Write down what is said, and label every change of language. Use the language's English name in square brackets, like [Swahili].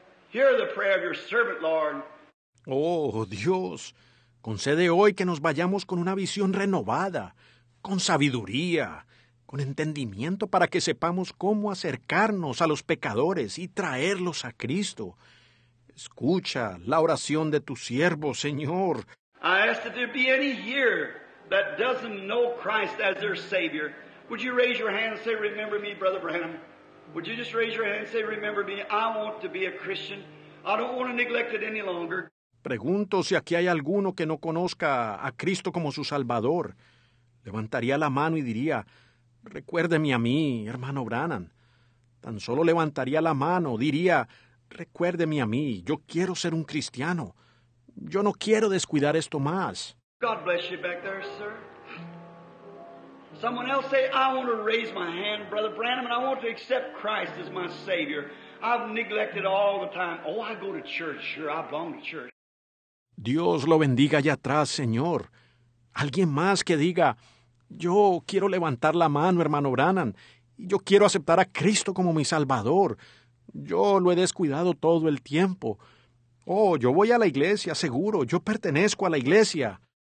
[English] Hear the prayer of your servant, Lord. [Spanish] Oh, Dios, concede hoy que nos vayamos con una visión renovada, con sabiduría, con entendimiento, para que sepamos cómo acercarnos a los pecadores y traerlos a Cristo. Escucha la oración de tu siervo, Señor. [English] I ask that there be any here that doesn't know Christ as their Savior. Would you raise your hand and say, remember me, Brother Branham? Would you just raise your hand and say, remember me? I want to be a Christian. I don't want to neglect it any longer. [Spanish] Pregunto si aquí hay alguno que no conozca a Cristo como su Salvador. Levantaría la mano y diría, recuérdeme a mí, hermano Branham. Tan solo levantaría la mano, diría, recuérdeme a mí, yo quiero ser un cristiano. Yo no quiero descuidar esto más. [English] God bless you back there, sir. Someone else say, I want to raise my hand, Brother Branham, and I want to accept Christ as my Savior. I've neglected all the time. Oh, I go to church, sure, I belong to church. [Spanish] Dios lo bendiga allá atrás, Señor. Alguien más que diga, yo quiero levantar la mano, hermano Branham, y yo quiero aceptar a Cristo como mi Salvador. Yo lo he descuidado todo el tiempo. Oh, yo voy a la iglesia, seguro. Yo pertenezco a la iglesia.